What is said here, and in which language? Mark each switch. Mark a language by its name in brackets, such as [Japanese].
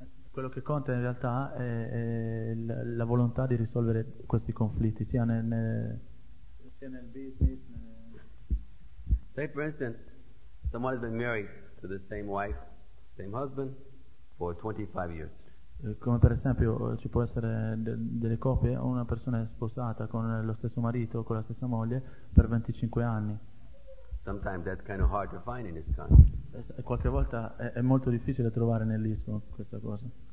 [Italian] Quello che conta in realtà è la volontà di risolvere questi conflitti, sia nel business. [English] Say for instance, someone has been married to the same wife, same husband, for for 25 years. [Italian] Come per esempio ci può essere delle coppie, una persona è sposata con lo stesso marito o con la stessa moglie per 25 anni. [English] Sometimes that's kind of hard to find in this country. [Italian] Qualche volta è molto difficile trovare nell'Islam questa cosa.